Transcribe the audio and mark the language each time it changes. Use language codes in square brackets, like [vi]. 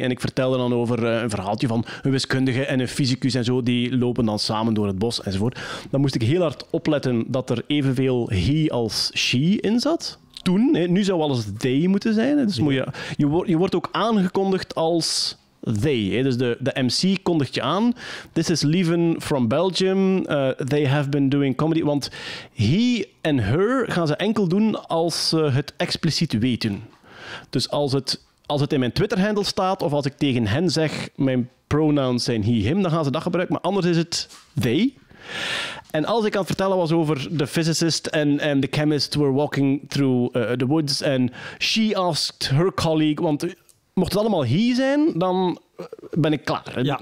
[nl] En ik vertelde dan over een verhaaltje van een wiskundige en een fysicus en zo. Die lopen dan samen door het bos enzovoort. Dan moest ik heel hard opletten dat er evenveel he als she in zat. Toen, nu zou alles they moeten zijn. Dus je wordt ook aangekondigd als they. Dus de MC kondigt je aan. [en] This is Lieven from Belgium. They have been doing comedy. [nl] Want he en her gaan ze enkel doen als ze het expliciet weten. Dus als het in mijn Twitter-handle staat of als ik tegen hen zeg mijn pronouns zijn he, him, dan gaan ze dat gebruiken. Maar anders is het they. En als ik aan het vertellen was over de physicist en de chemist [en] were walking through the woods and she asked her colleague, [nl] want mocht het allemaal he zijn, dan ben ik klaar. Ja.